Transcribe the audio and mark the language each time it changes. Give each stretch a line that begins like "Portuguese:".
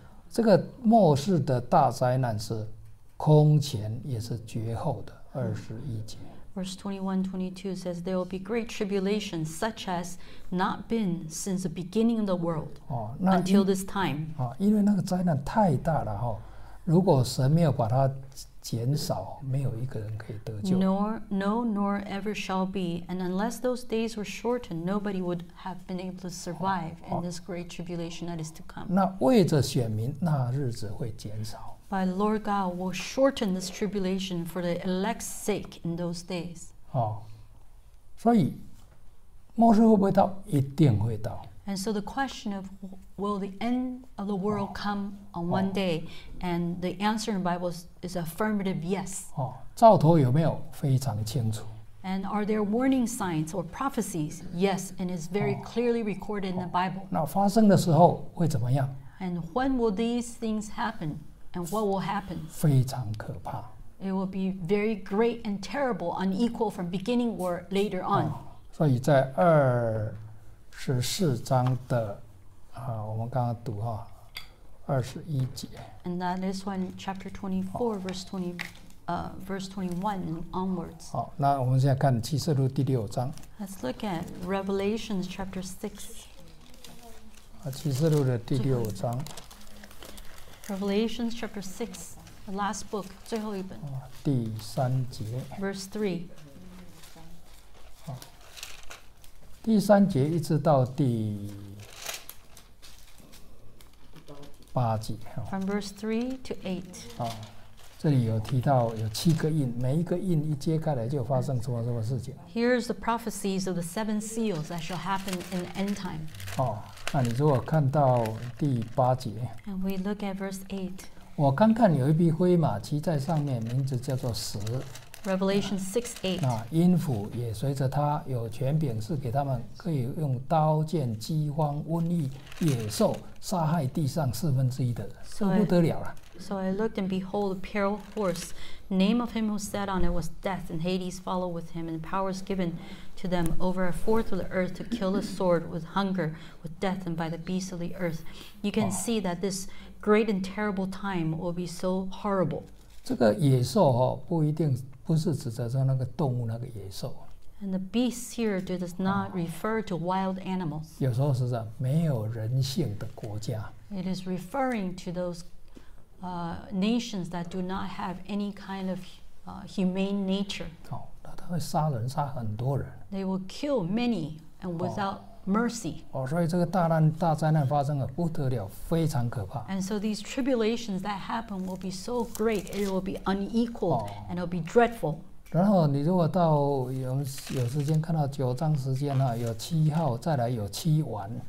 Chinese: 这个末世的大灾难是空前也是绝后的二十一节。
English: Verse 21-22 says there will be great tribulation such as not been since the beginning of the world until this time.
Chinese: 因为那个灾难太大了如果神没有把它减少，没有一个人可以得救。
English: Nor ever shall be, and unless those days were shortened, nobody would have been able to survive in this great tribulation that is to come.
Chinese: 那为着选民，那日子会减少。
English: But Lord God will shorten this tribulation for the elect's sake in those days.
Chinese: 所以末世会不会到？一定会到。
English: And so the question of will the end of the world come on one day? And the answer in the Bible is affirmative yes.
Chinese: 兆头有没有非常清楚。
English: And are there warning signs or prophecies? Yes, and it's very clearly recorded in the Bible.
Chinese: 那发生的时候会怎么样?
English: And when will these things happen? And what will happen?
Chinese: 非常可怕。
English: It will be very great and terrible, unequal from beginning or later on.
Chinese: 所以在二十四章的我们刚刚读二十一节。
English: And that is when chapter 24, verse 20,verse 21 onwards.
Chinese: 好，那我们现在看启示录第六章。
English: Let's look at Revelation chapter 6.
Chinese: 启示录的第六章。
English: Revelation chapter 6, the last book,
Chinese: 最后一本。第三节。
English: Verse 3.
Chinese: 第三节一直到第八节。
English: From verse 3 to 8.
Chinese: 这里有提到有七个印，每一个印一揭开来就发生什么什么事情。
English: Here's the prophecies of the seven seals that shall happen in the end time.
Chinese: 那你如果看到第八节。
English: And we look at verse 8.
Chinese: 我刚看有一匹灰马骑在上面，名字叫做死。
English: Revelation 6:8.
Chinese: 那阴府也随着他有权柄，是给他们可以用刀剑、饥荒、瘟疫、野兽杀害地上四分之一的人，这不得了了。
English: So I looked and behold, a pale horse. Name of him who sat on it was Death, and Hades followed with him, and powers given to them over a fourth of the earth to kill the sword with hunger, with death, and by the beasts of the earth. You can see that this great and terrible time will be so horrible.
Chinese: 这个野兽不一定。不是指的是那个动物那个野兽。
English: And the beasts here does not refer to wild animals.
Chinese: 有时候是讲没有人性的国家。
English: It is referring to those nations that do not have any kind of humane nature.
Chinese: 那他会杀人杀很多人。
English: They will kill many and without mercy.
Chinese: 所以这个大灾难发生了不得了，非常可怕。
English: And so these tribulations that happen will be so great, it will be unequal and it will be dreadful.
Chinese: 然后你如果到有时间看到九章时间有七号，再来有七丸。